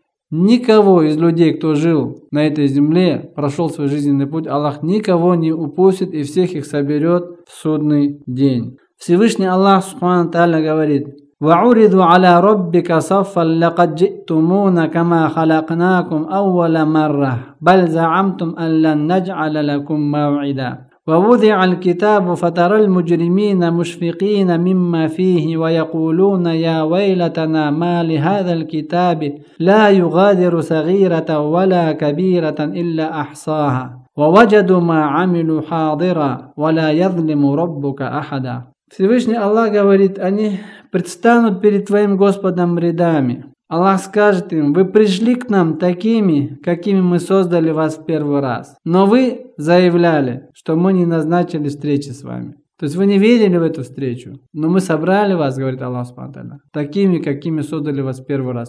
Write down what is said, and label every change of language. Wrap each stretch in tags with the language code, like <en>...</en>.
<ru>Никого из людей, кто жил на этой земле, прошел свой жизненный путь, Аллах никого не упустит и всех их соберет в судный день. Всевышний Аллах Субхана Тааля говорит:</ru> <ar>«Ва'уриду аля роббика саффан лакад джи'тумуна кама халакнакум аввала марра, баль за'амтум аллан наджа'ля лакум мав'ида». ووضع الكتاب فترى المجرمين مشفقين مما فيه ويقولون يا ويلتنا ما لهذا الكتاب لا يغادر صغيرة ولا كبيرة إلا أحصاها ووجدوا ما عملوا حاضرا ولا يظلم ربك أحدا.</ar> <ru>Всевышний Аллах говорит: они предстанут перед твоим Господом рядами. Аллах скажет им: вы пришли к нам такими, какими мы создали вас в первый раз. Но вы заявляли, что мы не назначили встречи с вами. То есть вы не верили в эту встречу. Но мы собрали вас, говорит Аллах Субхана Тааля, такими, какими создали вас в первый раз.</ru>